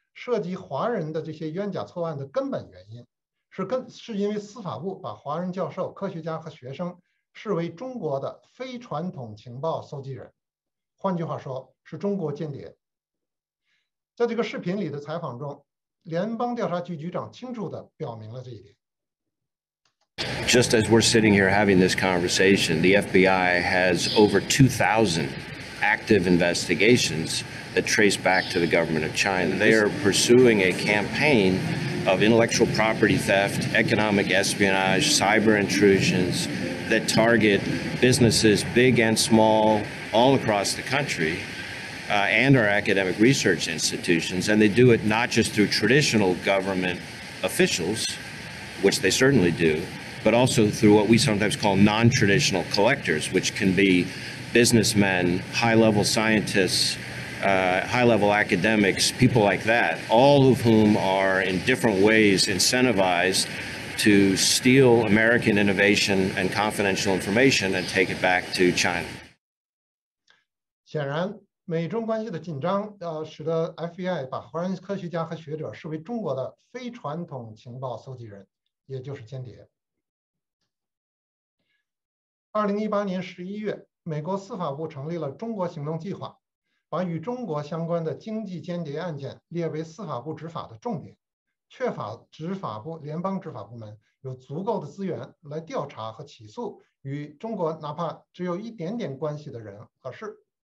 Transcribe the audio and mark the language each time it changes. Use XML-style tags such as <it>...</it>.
<zh>涉及华人的这些冤假错案的根本原因，是因为司法部把华人教授、科学家和学生视为中国的非传统情报搜集人，换句话说，是中国间谍。在这个视频里的采访中，联邦调查局局长清楚地表明了这一点。</zh> <en>Just as we're sitting here having this conversation, the FBI has over 2,000 active investigations that trace back to the government of China. They are pursuing a campaign of intellectual property theft, economic espionage, cyber intrusions that target businesses big and small all across the country, and our academic research institutions. And they do it not just through traditional government officials, which they certainly do,but also through what we sometimes call non-traditional collectors, which can be businessmen, high-level scientists, high-level academics, people like that, all of whom are in different ways incentivized to steal American innovation and confidential information and take it back to China.</en> <zh>显然，美中关系的紧张，使得 FBI 把华人科学家和学者视为中国的非传统情报搜集人，也就是间谍。 2018年11月，美国司法部成立了中国行动计划，把与中国相关的经济间谍案件列为司法部执法的重点，确保执法部联邦执法部门有足够的资源来调查和起诉与中国哪怕只有一点点关系的人和事。</zh>